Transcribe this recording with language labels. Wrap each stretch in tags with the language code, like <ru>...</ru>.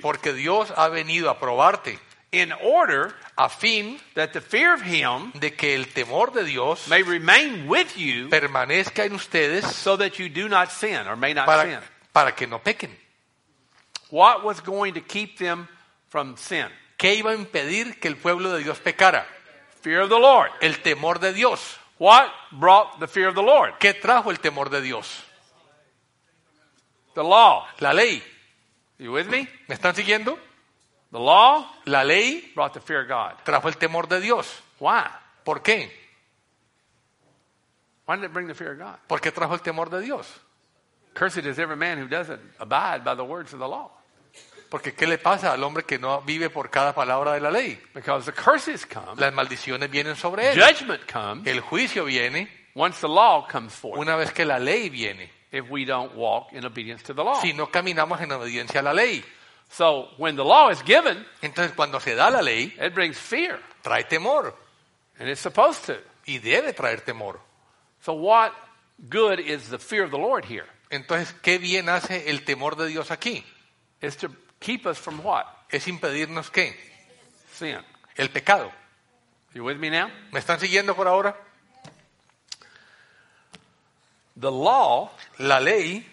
<es>Porque Dios ha venido a probarte.</es> <en>In order,</en> <es>a fin,</es> <en>that the fear of him,</en> <es>de que el temor de Dios,</es> <en>may remain with you,</en> <es>permanezca en ustedes,</es> <en>so that you do not sin or may not sin.</en> <es>Para que no pequen.</es> <en>What was going to keep them from sin?</en> <es>¿Qué iba a impedir que el pueblo de Dios pecara?</es> <en>Fear of the Lord.</en> <es>El temor de Dios.</es> <en>What brought the fear of the Lord?</en> <es>¿Qué trajo el temor de Dios?</es> <en>The law.</en> <es>La ley.</es> <en>You with me?</en> <es>¿Me están siguiendo?</es> <en>The law.</en> <es>La ley.</es> <en>Brought the fear of God.</en> <es>Trajo el temor de Dios.</es> <en>Why?</en> <es>¿Por qué?</es> <en>Why did it bring the fear of God?</en> <es>¿Por qué trajo el temor de Dios?</es> <en>Cursed is every man who doesn't abide by the words of the law.</en> <es>Porque ¿qué le pasa al hombre que no vive por cada palabra de la ley?</es> <en>Because the curses come.</en> <es>Las maldiciones vienen sobre él.</es> <en>Judgment comes.</en> <es>El juicio viene.</es> <en>Once the law comes forth.</en> <es>Una vez que la ley viene.</es> <en>If we don't walk in obedience to the law.</en> <es>Si no caminamos en obediencia a la ley.</es> <en>So when the law is given.</en> <es>Entonces cuando se da la ley.</es> <en>It brings fear.</en> <es>Trae temor.</es> <en>And it's supposed to.</en> <es>Y debe traer temor.</es> <en>So what good is the fear of the Lord here?</en> <es>Entonces, ¿qué bien hace el temor de Dios aquí?</es> <en>Is to keep us from what?</en> <es>Es impedirnos ¿qué?</es> <en>Sin.</en> <es>El pecado.</es> <en>You with me now?</en> <es>¿Me están siguiendo por ahora?</es> <en>The law,</en> <es>la ley</es>